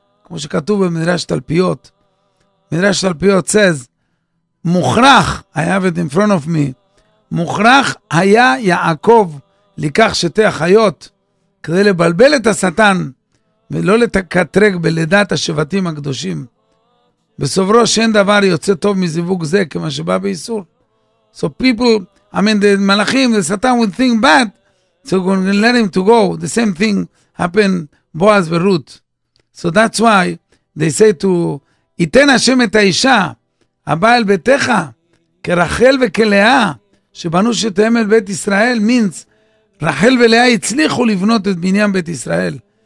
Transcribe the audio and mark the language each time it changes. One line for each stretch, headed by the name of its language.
Hebrew: כמו שכתוב במדרש תלפיות, מדרש תלפיות says, מוכרח,
English: I have it in front of me,
Hebrew: מוכרח היה יעקב, לקח שתי החיות כדי לבלבל את השטן ולא לקטרג בלידת השבטים הקדושים. בסוברו שאין דבר יוצא טוב מזיווג זה כמה שבא באיסור.
English: So people, I mean the מלאכים, the Satan would think bad, so we're going to let him to go. The same thing happened
Hebrew: בועז ורות.
English: So that's why they say to
Hebrew: ייתן השם את האישה הבאה אל ביתך כרחל וכלאה שבנו שתהם אל בית ישראל, means רחל ולאה הצליחו לבנות את בניין בית ישראל.